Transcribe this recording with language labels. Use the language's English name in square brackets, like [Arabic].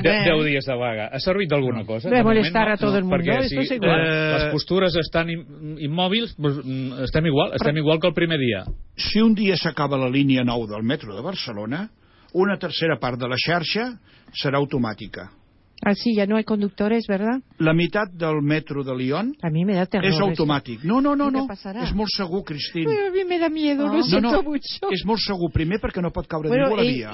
[Catalan] 10 dies de vaga. Ha servit d'alguna cosa? De molestar a tot el món. Perquè si les postures estan immòbils, estem igual, però... estem igual que el primer dia. Si un dia s'acaba la línia 9 del metro de Barcelona, una tercera part de la xarxa serà automàtica. Ah, sí, ja no hi ha conductores, ¿verdad? La meitat del metro de Lyon... [Spanish] A mi me da terror. [Catalan] És automàtic. Això. No. És molt segur, Cristín. [Spanish] A mi me da miedo, lo siento mucho. [Catalan] És molt segur, primer, perquè no pot caure ningú a la via.